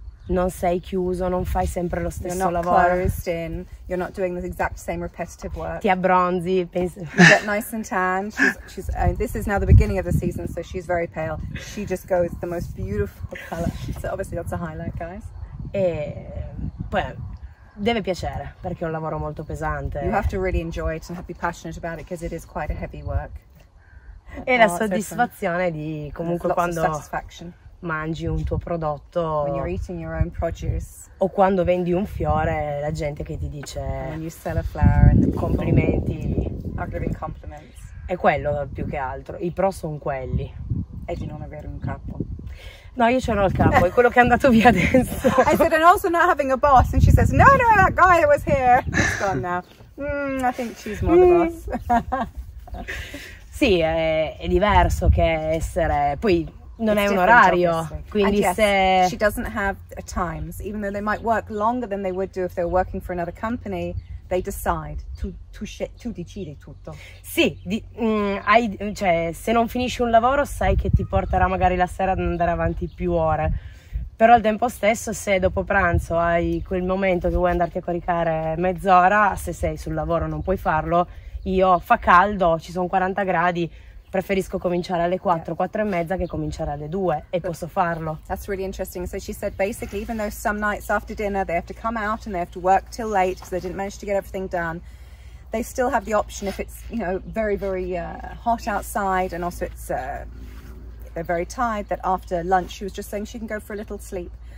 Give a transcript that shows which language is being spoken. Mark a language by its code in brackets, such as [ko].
[it] Non sei chiuso, non fai sempre lo stesso lavoro. [en] You're not closed in, you're not doing the exact same repetitive work. [it] Ti abbronzi. [en] Get nice and tan. This is now the beginning of the season, so she's very pale. She just goes the most beautiful color. So obviously that's a highlight, guys. [it] E poi deve piacere, perché è un lavoro molto pesante. [en] You have to really enjoy it and have to be passionate about it, because it is quite a heavy work. [it] E la soddisfazione di comunque quando mangi un tuo prodotto, [en] when you're eating your own produce, [it] o quando vendi un fiore, la gente che ti dice [en] when you sell a flower and the [it] complimenti, [en] are giving compliments. [it] È quello più che altro, I pro sono quelli. E di non avere un capo. No, io ce l'ho il capo, è quello che è andato via adesso. [en] I said, and also not having a boss, and she says, no, no, that guy that was here, he's gone now. I think she's more the boss. [it] Sì, è diverso che essere, poi non [en] it's [it] è un orario, quindi [en] yes, [it] se [en] she doesn't have a times, even though they might work longer than they would do if they were working for another company, they decide to decide [it] tutto. Sì, cioè se non finisci un lavoro sai che ti porterà magari la sera ad andare avanti più ore. Però al tempo stesso, se dopo pranzo hai quel momento che vuoi andarti a caricare mezz'ora, se sei sul lavoro non puoi farlo. Io fa caldo, ci sono 40 gradi. Preferisco cominciare alle 4, 4 e mezza che cominciare alle 2 e posso farlo. [en] That's really interesting. So she said basically even though some nights after dinner they have to come out and they have to work till late because they didn't manage to get everything done, they still have the option if it's, you know, very, very hot outside and also it's they're very tired, that after lunch she was just saying she can go for a little sleep.